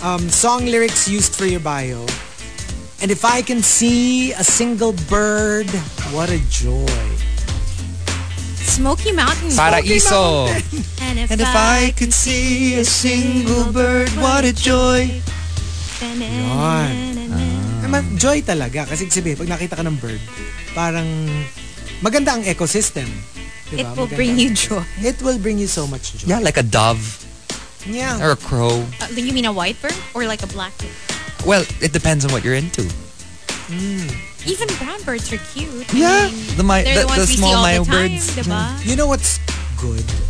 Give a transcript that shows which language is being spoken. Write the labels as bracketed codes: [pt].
[en] Song lyrics used for your bio, and if I can see a single bird, what a joy. Smoky Mountain. Paraiso. And if I can see a single bird, what a joy. [tl] Yon. Joy talaga. Kasi sabi, pag nakita ka ng bird, parang maganda ang ecosystem. Diba? [en] It will bring you joy. It will bring you so much joy. Yeah, like a dove. Yeah. Or a crow. You mean a white bird? Or like a black bird? Well, it depends on what you're into. Mm. Even brown birds are cute. Yeah. I mean, the small birds. Diba? Yeah. You know what's good?